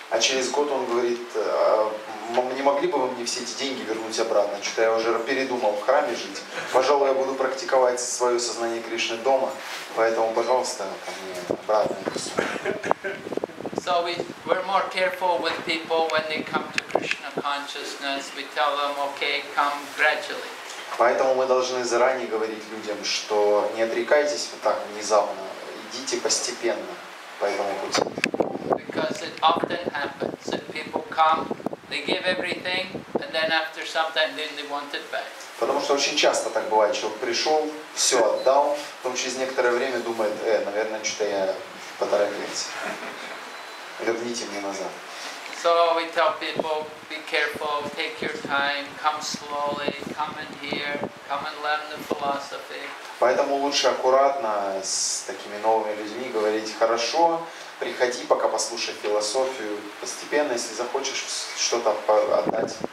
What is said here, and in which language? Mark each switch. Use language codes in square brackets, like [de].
[ru] А через год он говорит, не могли бы вы мне все эти деньги вернуть обратно? Что-то я уже передумал в храме жить. Пожалуй, я буду практиковать свое сознание Кришны дома. Поэтому, пожалуйста, ко мне обратно. [en] So we're more careful with people when they come to Krishna consciousness. We tell them, okay, come gradually. [ru] Поэтому мы должны заранее говорить людям, что не отрекайтесь вот так внезапно. Идите постепенно по этому пути. [en] Because it often happens that people come, they give everything, and then after some time, then they want it back. [ru] Потому что очень часто так бывает, человек пришел, все отдал, потом через некоторое время думает, наверное, что-то я поторопился. Верните мне назад. [en] So we tell people, be careful, take your time, come slowly, come in here, come and learn the philosophy. [ru] Поэтому лучше аккуратно с такими новыми людьми говорить, хорошо. Приходи, пока послушай философию. Постепенно, если захочешь что-то отдать,